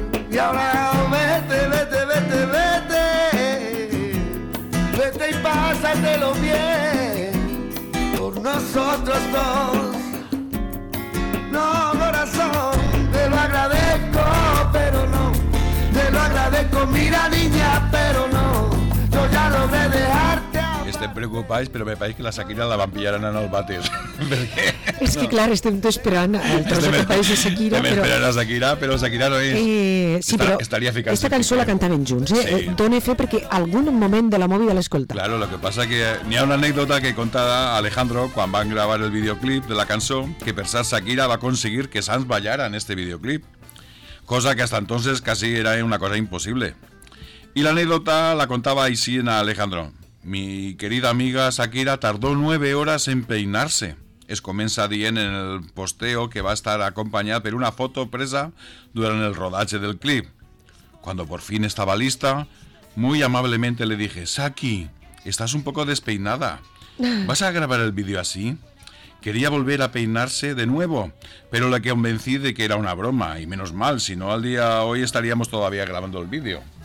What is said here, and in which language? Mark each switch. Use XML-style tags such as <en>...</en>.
<es>Y ahora vete, vete, vete, vete, vete y pásatelo bien por nosotros dos. No, corazón, te lo agradezco, pero no. Te lo agradezco, mira niña, pero no. Yo ya logré dejarte.</es> <ca>estem preocupats, però me pareix que la Shakira la van pillar en el vàter. És que clar, estem tot esperant el tros de capaix de Shakira. Estem esperant a Shakira, però Shakira no és. Sí, però aquesta cançó la cantaven junts. Dóna fe perquè algun moment de la movida l'escolta.</ca> <es>Claro, lo que pasa que</es> <ca>n'hi ha una anècdota que conta Alejandro quan van gravar el videoclip de la cançó, que per cert Shakira va aconseguir que Sanz ballara en este videoclip, cosa que</ca> <es>hasta entonces casi era una cosa imposible. Y la anécdota la contaba Isina Alejandro. Mi querida amiga Shakira tardó 9 hores en peinarse.</es> <ca>Es comença dient en el posteo que va estar acompanyada per una foto presa durant el rodatge del clip.</ca> <es>Cuando por fin estaba lista, muy amablemente le dije, Saki, estás un poco despeinada. ¿Vas a grabar el vídeo así? Quería volver a peinarse de nuevo, pero la convencí de que era una broma, y menos mal, si no al día de hoy estaríamos todavía grabando el vídeo.</es>